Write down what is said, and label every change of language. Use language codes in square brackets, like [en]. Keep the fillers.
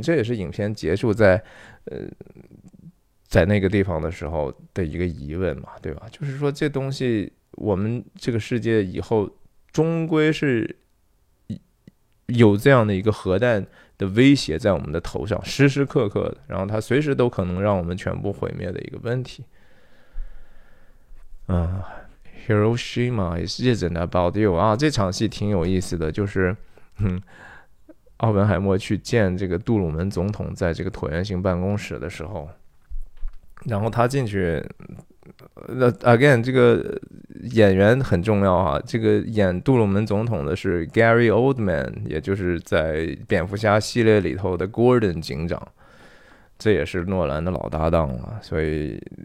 [zh] 这也是影片结束在，呃，在那个地方的时候的一个疑问嘛，对吧？就是说，这东西我们这个世界以后终归是，有有这样的一个核弹的威胁在我们的头上，时时刻刻的，然后它随时都可能让我们全部毁灭的一个问题。 [en] 嗯、uh,，Hiroshima isn't about you 啊、uh,！ [zh] 这场戏挺有意思的，就是，嗯，奥本海默去见这个杜鲁门总统在这个椭圆形办公室的时候，然后他进去，那 again 这个演员很重要啊！这个演杜鲁门总统的是 Gary Oldman，也就是在蝙蝠侠系列里头的 Gordon 警长，这也是诺兰的老搭档了、啊，所以。